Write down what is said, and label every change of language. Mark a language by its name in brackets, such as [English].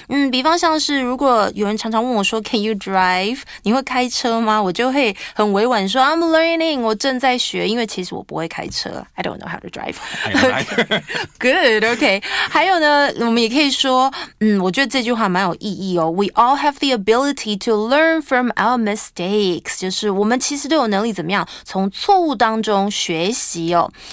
[Chinese] 比方像是如果有人常常问我说 Can you drive? 你会开车吗？我就会很委婉说 I'm learning, 我正在学，因为其实我不会开车。 I don't know how to drive. [English] I don't know either. Good, okay. [Chinese] 还有呢，我们也可以说，我觉得这句话蛮有意义哦。 [English] We all have the ability to learn from our mistakes. [Chinese] 就是我们其实都有能力怎么样，从错误当中学习哦。